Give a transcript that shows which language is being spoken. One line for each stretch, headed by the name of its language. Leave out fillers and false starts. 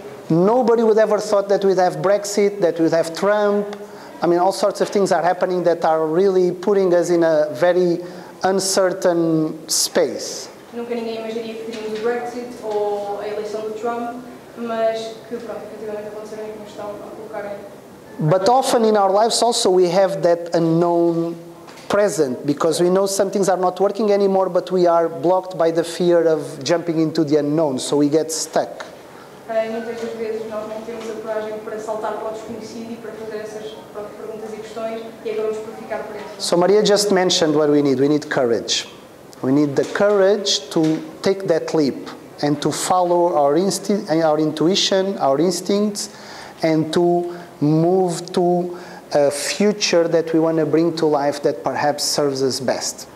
English: Nobody would ever thought that we'd have Brexit, that we'd have Trump. I mean, all sorts of things are happening that are really putting us in a very uncertain space.
Portuguese: Nunca ninguém imaginaria que teríamos o Brexit ou a eleição do Trump, mas que, pronto, efetivamente aconteceram e que nos estão a colocar em...
English: But often in our lives also we have that unknown present, because we know some things are not working anymore, but we are blocked by the fear of jumping into the unknown, so we get stuck.
Portuguese: Muitas das vezes nós não temos a coragem para saltar para o desconhecido e para fazer essas perguntas e questões e acabamos por ficar presos.
English: So Maria just mentioned what we need. We need courage. We need the courage to take that leap and to follow our intuition, our instincts, and to move to a future that we want to bring to life that perhaps serves us best.